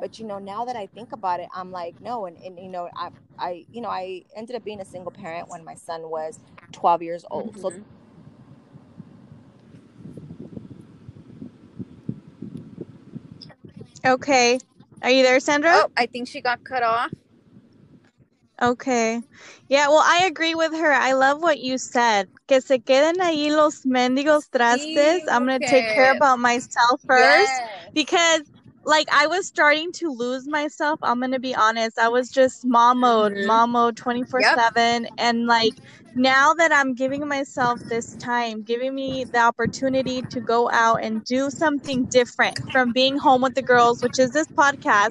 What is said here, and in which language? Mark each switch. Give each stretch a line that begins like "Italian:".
English: But you know, now that I think about it, I'm like, no. And you know, I ended up being a single parent when my son was 12 years old. Mm-hmm. So okay. Are you there, Sandra? Oh, I think she got cut off. Okay. Yeah, well, I agree with her. I love what you said.
Spanish: Que se queden ahí los mendigos trastes.
English: I'm going to take care about myself first. Yes. Because, like, I was starting to lose myself. I'm going to be honest. I was just mom mode, mom mode 24/7. Yep. And, like, now that I'm giving myself this time, giving me the opportunity to go out and do something different from being home with the girls, which is this podcast.